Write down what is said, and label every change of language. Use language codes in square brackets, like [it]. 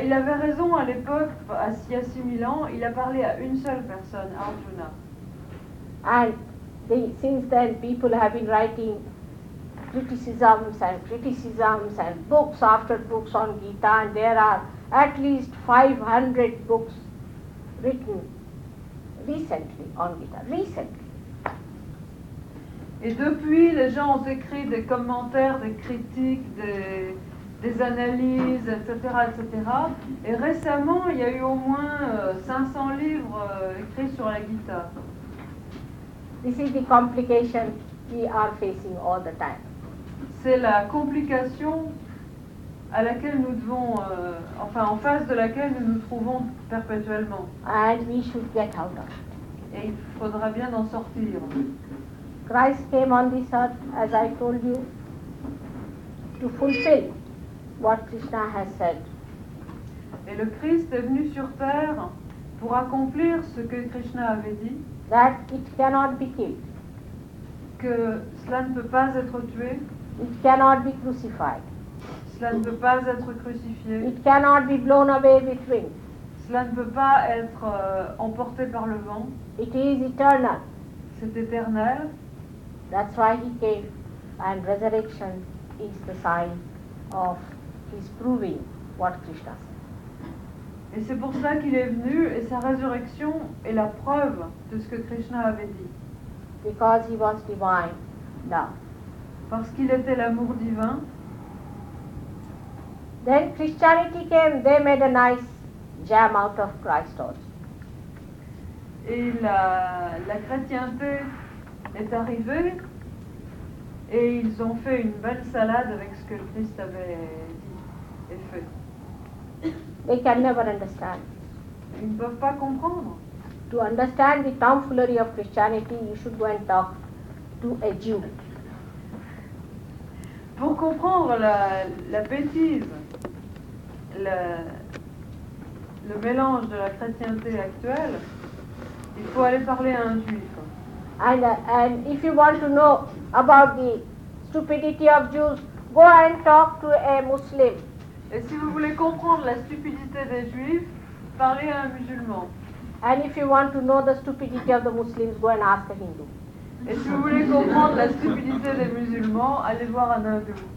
[fr] Il avait raison à l'époque, il y a 6000 ans, il a parlé à une seule personne, Arjuna. [en] And since then, people have been writing criticisms and books after books on Gita, and there are at least 500 books written recently on Gita, recently. [fr] Et depuis, les gens ont écrit des commentaires, des critiques, des analyses, etc., etc. Et récemment, il y a eu au moins 500 livres écrits sur la Gita. [en] This is the complication we are facing all the time. [fr] C'est la complication à laquelle nous devons, enfin, en face de laquelle nous nous trouvons perpétuellement. [en] And we should get out of it. [fr] Et il faudra bien en sortir. [en] Christ came on this earth, as I told you, to fulfill what Krishna has said. [fr] Et le Christ est venu sur terre pour accomplir ce que Krishna avait dit. [en] That it cannot be killed. [fr] Que cela ne peut pas être tué. [en] It cannot be crucified. [fr] Cela ne peut pas être crucifié. [en] It cannot be blown away with wind. [fr] Cela ne peut pas être emporté par le vent. [en] It is eternal. [fr] C'est éternel. [en] That's why he came, and resurrection is the sign of his proving what Krishna said. [fr] Et c'est pour ça qu'il est venu, et sa résurrection est la preuve de ce que Krishna avait dit. [en] Because he was divine now. [fr] Parce qu'il était l'amour divin. [en] Then Christianity came, they made a nice jam out of Christ also. [fr] Et la chrétienté est arrivée. Et ils ont fait une belle salade avec ce que le Christ avait dit et fait. [en] they can never understand. [fr] Ils ne peuvent pas comprendre. [en] To understand the tomfoolery of Christianity, you should go and talk to a Jew. [fr] Pour comprendre la bêtise, le mélange de la chrétienté actuelle, il faut aller parler à un juif. [en] And if you want to know about the stupidity of Jews, go and talk to a Muslim. [fr] Et si vous voulez comprendre la stupidité des juifs, parlez à un musulman. [en] And if you want to know the stupidity of the Muslims, go and ask a Hindu. [fr] Et si vous voulez comprendre la stupidité des musulmans, allez voir un hindou.